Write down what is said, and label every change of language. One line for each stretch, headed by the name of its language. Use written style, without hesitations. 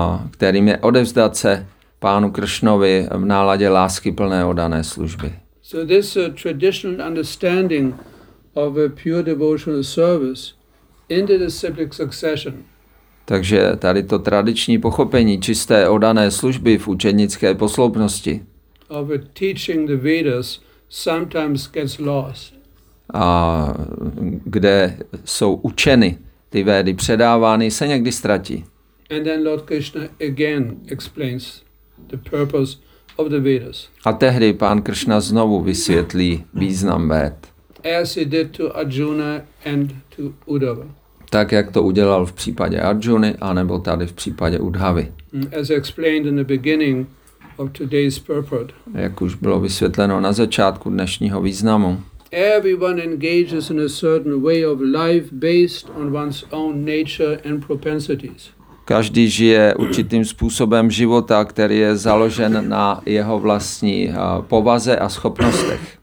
Czech: Kterým je odevzdat se pánu Krishnovi v náladě lásky plné oddané služby.
English: So this traditional understanding of a pure devotional service in the disciplic succession.
Czech: Takže tady to tradiční pochopení čisté oddané služby v učednické posloupnosti.
English: Of teaching the Vedas sometimes gets lost.
Czech: A kde jsou učeny ty védy předávány, se někdy ztratí.
English: And then Lord Krishna again explains the purpose of the Vedas.
Czech: A tehdy pán Krishna znovu vysvětlí význam véd.
English: As he did to Arjuna and to Uddhava.
Czech: Tak jak to udělal v případě Arjuny a nebo tady v případě Uddhavy.
English: As explained in the beginning of today's purport.
Czech: Jak už bylo vysvětleno na začátku dnešního významu.
English: Everyone engages in a certain way of life based on one's own nature and propensities.
Czech: každý žije určitým způsobem života, který je založen na jeho vlastní povaze a schopnostech.